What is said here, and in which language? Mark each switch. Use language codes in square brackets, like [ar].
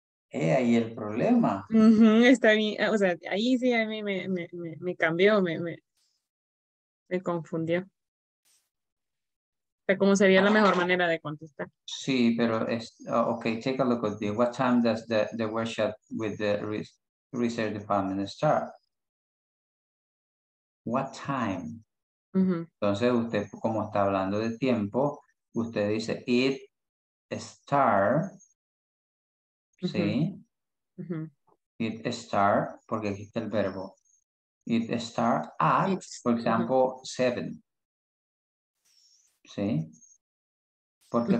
[es] Ahí el problema. Uh-huh, está bien. O sea, ahí sí a mí me cambió, me confundió. O sea, ¿cómo sería la mejor manera de contestar? Sí, pero es. [en] Ok, take a look at this. What time does the workshop with the research department start? What time? Uh-huh. [es] Entonces, usted, como está hablando de tiempo, usted dice, [en] it starts. [es] Sí. Uh-huh. It start, porque aquí está el verbo. [en] It start at, [es] por ejemplo, 7. Sí. Porque uh-huh.